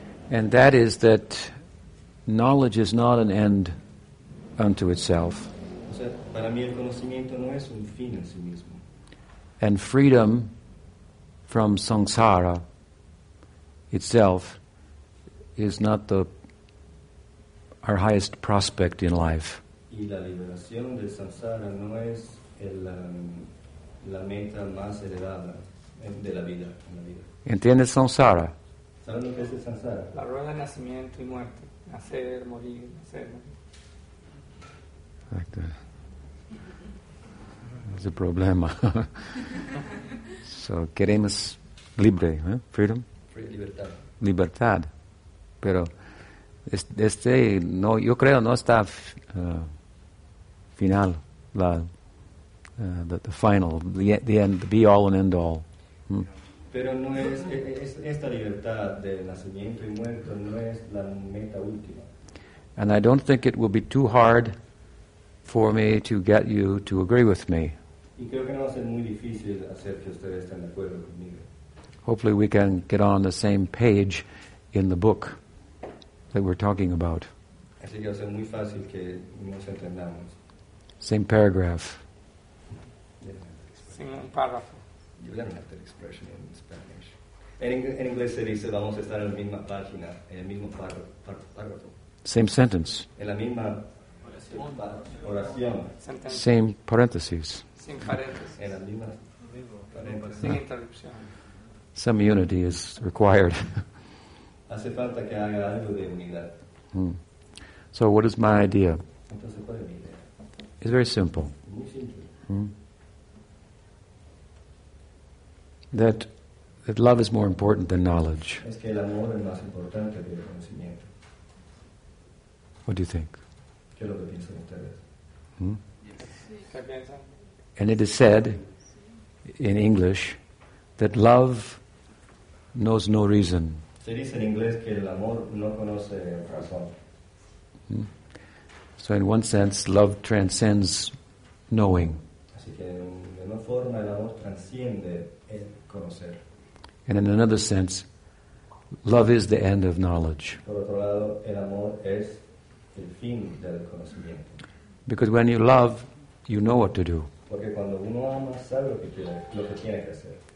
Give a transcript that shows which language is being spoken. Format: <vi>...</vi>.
<en>And that is that knowledge is not an end unto itself.</en> <es>O sea, para mí el conocimiento no es un fin en sí mismo.</es> <en>And freedom from samsara itself is not our highest prospect in life.</en> <es>Y la liberación de samsara no es la meta más elevada de la vida. ¿Entiendes samsara? ¿Sabes lo que es el samsara? La rueda de nacimiento y muerte. Nacer, morir.</es> <en>Like that. That's a problema. So,</en> <es>queremos libre,</es> <en>freedom?</en> <es>Libertad. Libertad, pero este no, yo creo no está final,</es> <en>the final, the end, the be all and end all.</en> <es>Pero no es esta libertad de nacimiento y muerto no es la meta última.</es> <en>And I don't think it will be too hard for me to get you to agree with me.</en> <es>Y creo que no va a ser muy difícil hacer que ustedes estén de acuerdo conmigo.</es> <en>Hopefully we can get on the same page in the book that we're talking about.</en> <es>Así que va a ser muy fácil que nos entendamos.</es> <en>Same paragraph.</en> <es>en un párrafo.</es> <en>You don't have that expression in Spanish.</en> <es>En inglés se dice vamos a estar en la misma página, en el mismo párrafo.</es> <en>Same sentence.</en> <es>En la misma oración.</es> <en>Sentence. Same parentheses.</en> <es>Sin parentheses. En la misma parentheses. Sin interrupción.</es> <en>Some unity is required.</en> <es>Hace falta que haga algo de unidad.</es> <en>So what is my idea?</en> <es>Entonces, ¿cuál es mi idea?</es> <en>It's very simple.</en> <es>Muy simple.</es> <en>That love is more important than knowledge.</en> <es>Es que el amor es más importante que el conocimiento.</es> <en>What do you think?</en> <es>¿Qué es lo que piensan ustedes? ¿Qué piensan?</es> <en>And it is said in English that love knows no reason.</en> <es>Se dice en inglés que el amor no conoce razón.</es> <en>So in one sense, love transcends knowing.</en> <es>Así que de una forma el amor transciende el conocer.</es> <en>And in another sense, love is the end of knowledge.</en> <es>Por otro lado, el amor es el fin del conocimiento.</es> <en>Because when you love, you know what to do.</en> <es>Porque cuando uno ama, sabe lo que tiene que hacer.</es>